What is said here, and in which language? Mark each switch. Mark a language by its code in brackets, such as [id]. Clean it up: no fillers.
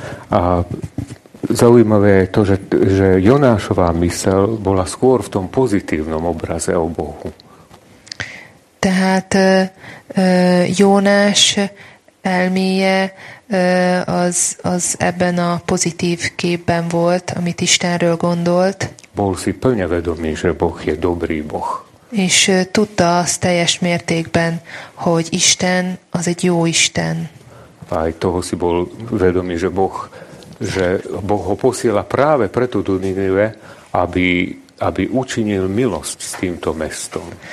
[sk] A zaujímavé je to, že Jonášová mysel bola skôr v tom pozitívnom obraze o Bohu. [hu] Tehát Jonáš elméje az ebben a pozitív képben volt, amit Istenről gondolt. [sk] Bol si plne vedomý, že Boh je dobrý Boh. [hu] És tudta azt teljes mértékben, hogy Isten az egy jó Isten. [sk] Aj toho si bol vedomý, že Boh ho posiela práve preto do Ninive, aby učinil milosť s týmto mestom.